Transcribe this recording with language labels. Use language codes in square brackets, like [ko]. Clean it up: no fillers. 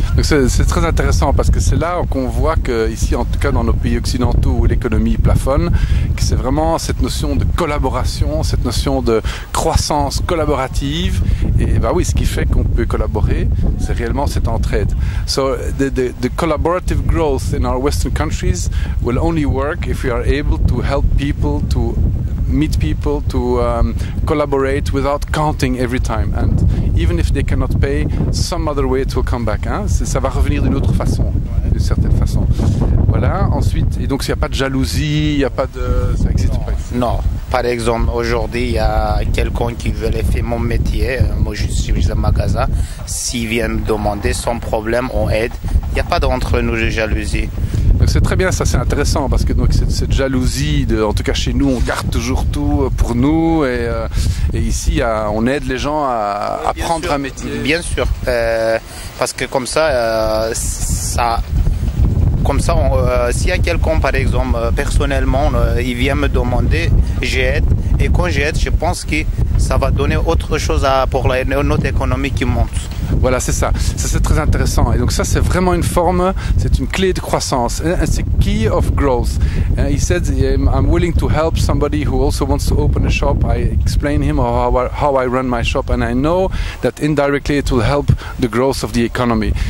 [fr] Donc c'est très intéressant parce que c'est là qu'on voit que ici, en tout cas dans nos pays occidentaux où l'économie plafonne, que c'est vraiment cette notion de collaboration, cette notion de croissance collaborative. Et bah oui, ce qui fait qu'on peut collaborer, c'est réellement cette entraide. [en] So the collaborative growth in our Western countries will only work if we are able to help people to meet people, to collaborate without counting every time, and even if they cannot pay, some other way it will come back. [fr] Hein? Ça va revenir d'une autre façon, d'une certaine façon. Voilà. Ensuite, et donc s'il n'y a pas de jalousie, il n'y a pas de, ça n'existe pas. Non. Par exemple, aujourd'hui, il y a quelqu'un qui veut faire mon métier. Moi, je suis un magasin. S'il vient me demander, sans problème, on aide. Il n'y a pas d'entre nous de jalousie. Donc c'est très bien, ça c'est intéressant parce que donc, cette jalousie, en tout cas chez nous, on garde toujours tout pour nous et ici on aide les gens à apprendre un métier. Bien sûr, parce que comme ça, s'il y a quelqu'un par exemple, personnellement, il vient me demander, j'aide et quand j'aide, je pense que ça va donner autre chose pour notre économie qui monte. Voilà, c'est ça. Ça, c'est très intéressant. Et donc, ça, c'est vraiment une forme, c'est une clé de croissance. [en] It's a key of growth. He said, I'm willing to help somebody who also wants to open a shop. I explain him how I run my shop. And I know that indirectly it will help the growth of the economy.